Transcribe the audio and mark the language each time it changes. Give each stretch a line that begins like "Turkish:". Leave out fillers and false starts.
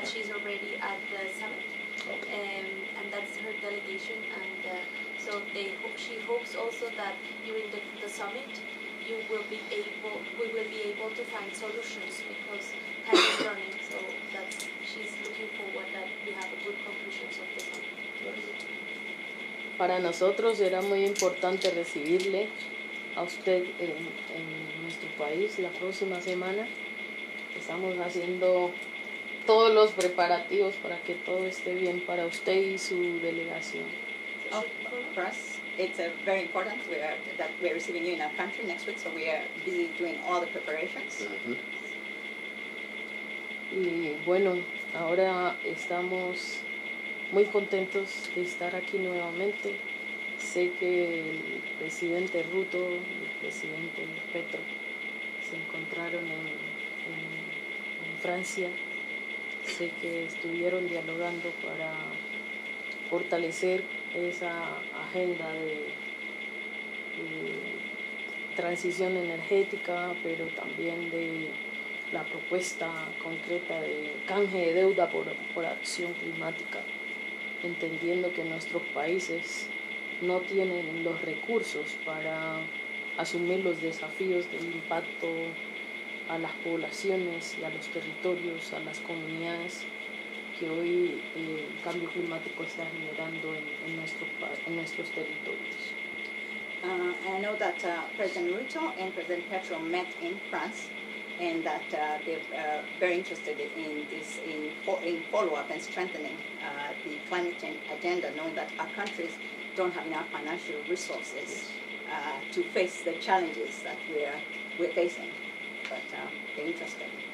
English: That she's already at the summit. And that's her delegation. And so she hopes also that during the summit, we will be able to find solutions because time is running. So that she's looking forward that we have a good conclusions of the summit.
Spanish: Para nosotros era muy importante recibirle a usted en nuestro país la próxima semana. Estamos haciendo todos los preparativos para que todo esté bien para usted y su delegación.
English: For us, it's very important that we're receiving you in our country next week, so we are busy doing all the preparations.
Spanish: Y bueno, ahora estamos muy contentos de estar aquí nuevamente. Sé que el presidente Ruto y el presidente Petro se encontraron en Francia. Sé que estuvieron dialogando para fortalecer esa agenda de transición energética, pero también de la propuesta concreta de canje de deuda por acción climática, entendiendo que nuestros países no tienen los recursos para asumir los desafíos del impacto a las poblaciones y a los territorios, a las comunidades que hoy el cambio climático está generando en nuestros territorios.
English: I know that President Ruto and President Petro met in France and that they're very interested in this, in follow-up and strengthening the climate change agenda, knowing that our countries don't have enough financial resources to face the challenges that we're facing, but they're interested.